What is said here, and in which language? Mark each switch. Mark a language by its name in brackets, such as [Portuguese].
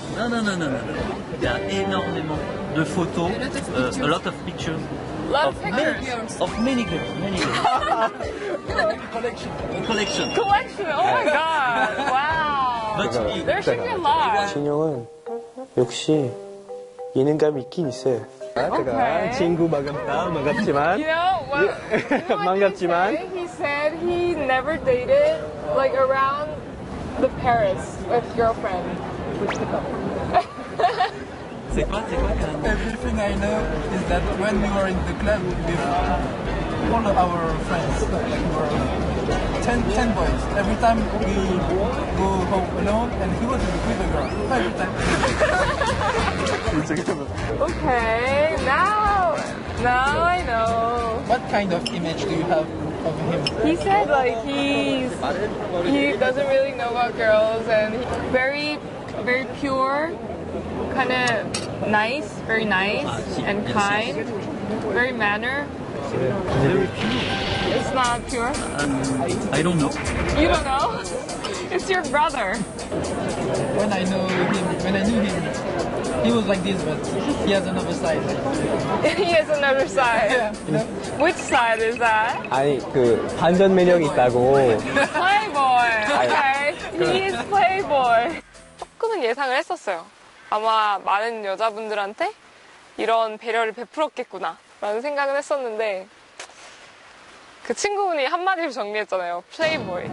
[English] No. [French] Il y a énormément de photos, [English] a lot of pictures of many girls. Collection. Oh my god. Wow. But there should be a lot. [Korean] 진영은 역시 예능감이 있긴 있어요. [English] Okay. [Korean] 친구 반갑지만. [English] You know what? [Korean] 반갑지만. [English] He said he never dated like around the Paris with girlfriend. [French] C'est quoi? [English] Everything I know is that when we were in the club with all of our friends, like we were 10 boys, every time we go home alone and he was with a girl, every time. Okay, now I know. What kind of image do you have of him? He said like he doesn't really know about girls and very, very pure. Kind of nice, very nice and kind, very manner. Very pure. It's not pure. I don't know. You don't know? It's your brother. When I knew him, He was like this, but he has another side. He has another side. Which side is that? [Korean] 아니, 그 반전 매력이 있다고. [English] Playboy. Okay. He is playboy. [Korean] 조금은 예상을 했었어요. 아마 많은 여자분들한테 이런 배려를 베풀었겠구나 라는 생각을 했었는데 그 친구분이 한마디로 정리했잖아요. 플레이보이.